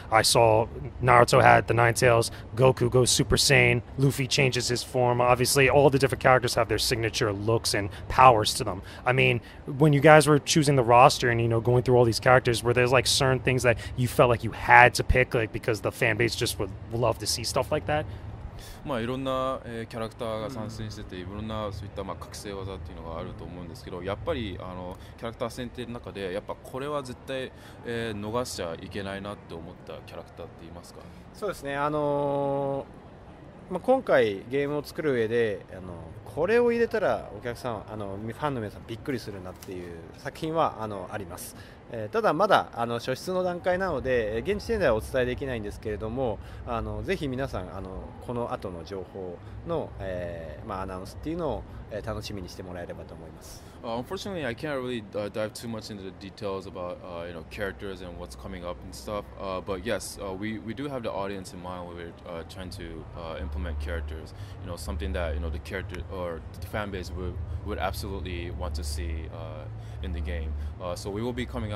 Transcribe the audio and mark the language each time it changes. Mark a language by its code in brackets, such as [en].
[en] I saw Naruto had the Ninetales, Goku goes Super Saiyan, Luffy changes his form. Obviously, all the different characters have their signature looks and powers to them. I mean, when you guys were choosing the roster and, going through all these characters, were there like certain things that you felt like you had to pick, like because the fan base just would love to see stuff like that? [ja] まあ、いろんな、キャラクターが参戦してて、いろんなそういった、まあ、覚醒技っていうのがあると思うんですけど、やっぱりキャラクター選定の中でやっぱこれは絶対、逃しちゃいけないなって思ったキャラクターって言いますか？そうですね、まあ、今回ゲームを作る上でこれを入れたらお客さん、ファンの皆さんびっくりするなっていう作品はあります。ただまだ初出の段階なので現時点ではお伝えできないんですけれども、ぜひ皆さんこの後の情報の、まあ、アナウンスっていうのを楽しみにしてもらえればと思います。 [en] Unfortunately, I can't really dive too much into the details about characters and what's coming up and stuff. But yes, we do have the audience in mind when we're trying to implement characters. Something that the character or the fan base would absolutely want to see in the game. So we will be coming